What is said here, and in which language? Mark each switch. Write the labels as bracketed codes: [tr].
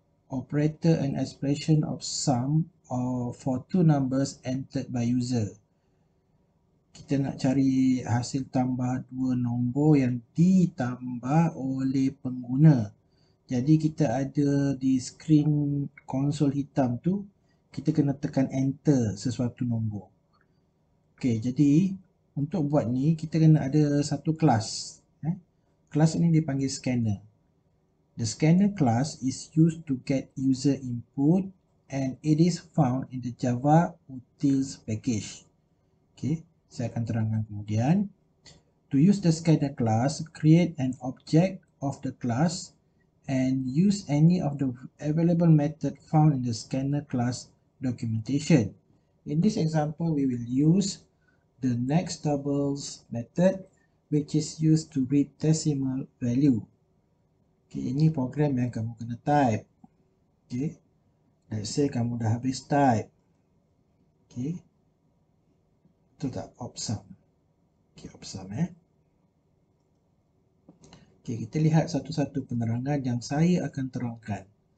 [en] Operator and expression of sum for two numbers entered by user. [ms] Kita nak cari hasil tambah dua nombor yang ditambah oleh pengguna. Jadi kita ada di skrin konsol hitam tu, kita kena tekan enter sesuatu nombor. Okey, jadi untuk buat ni kita kena ada satu kelas. Kelas ni dipanggil scanner. [en] The scanner class is used to get user input and it is found in the Java Utils package. [ms] Okey, saya akan terangkan kemudian. [en] To use the scanner class, create an object of the class and use any of the available method found in the scanner class documentation. In this example, we will use the next doubles method which is used to read decimal value. [ms] Okay, ini program yang kamu kena type. Okay, [en] let's say [ms] kamu dah habis type. Okay, itu tak opsum. Okay, opsum eh. Okay, kita lihat satu-satu penerangan yang saya akan terangkan.